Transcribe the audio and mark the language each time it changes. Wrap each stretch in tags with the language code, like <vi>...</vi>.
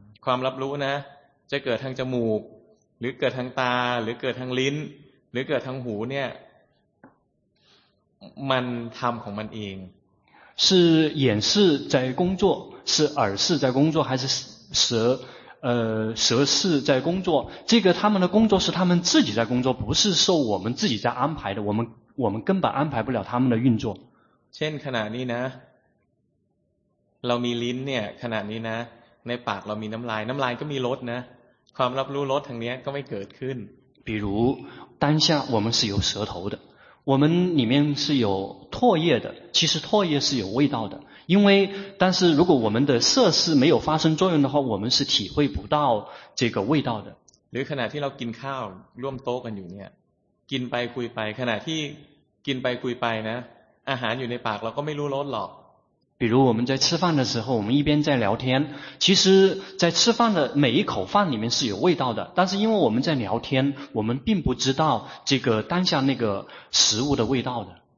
<th>ความรับรู้นะจะเกิดทางจมูกหรือเกิดทางตาหรือเกิดทางลิ้นหรือเกิดทางหูเนี่ยมันทำของมันเอง</th> <zh>是眼识在工作是耳识在工作还是舌识在工作这个他们的工作是他们自己在工作不是受我们自己在安排的我们根本安排不了他们的运作</zh> <th>เช่นขณะนี้นะเรามีลิ้นเนี่ยขณะนี้นะในปากเรามีน้ำลายน้ำลายก็มีรสนะความรับรู้รสทางนี้ก็ไม่เกิดขึ้น</th> <zh>比如当下我们是有舌头的我们里面是有唾液的其实唾液是有味道的因为但是如果我们的色是没有发生作用的话我们是体会不到这个味道的</zh> <th>หรือขณะที่เรากินข้าวร่วมโต๊ะกันอยู่เนี่ยกินไปคุยไปขณะที่กินไปคุยไปนะอาหารอยู่ในปากเราก็ไม่รู้รสหรอก</th> <zh>比如我们在吃饭的时候，我们一边在聊天，其实在吃饭的每一口饭里面是有味道的，但是因为我们在聊天，我们并不知道这个当下那个食物的味道的。</zh>